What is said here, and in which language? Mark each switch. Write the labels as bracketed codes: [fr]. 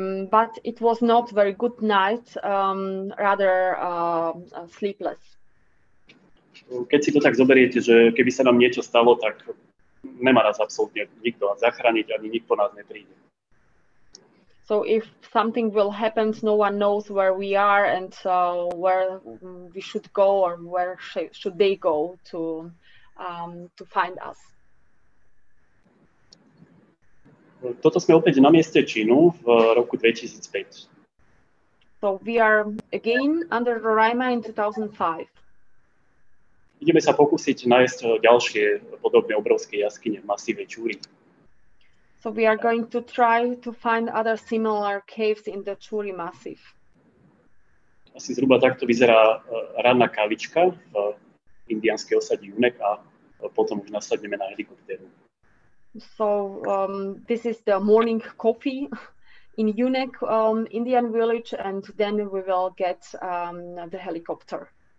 [en] But it was not very good night, rather sleepless. [sk] Keď si to tak zoberiete, že keby sa nám niečo stalo, tak nemá nás absolútne nikto zachrániť, ani nikto nás nepríde. [en] So if something will happen, no one knows where we are and where we should go or where should they go to find us. [sk] Toto sme opäť na mieste činu v roku 2005. [en] So we are again under Roraima in 2005. [sk] Ideme sa pokúsiť nájsť ďalšie podobne obrovské jaskyne v masíve Čúry. [en] So we are going to try to find other similar caves in the Čúry massif. [sk] Asi zhruba takto vyzerá ranná kavička v indianskej osade Junek a potom už nasadneme na helikopteru. [en] So this is the morning coffee in Junek, Indian village, and then we will get the helicopter.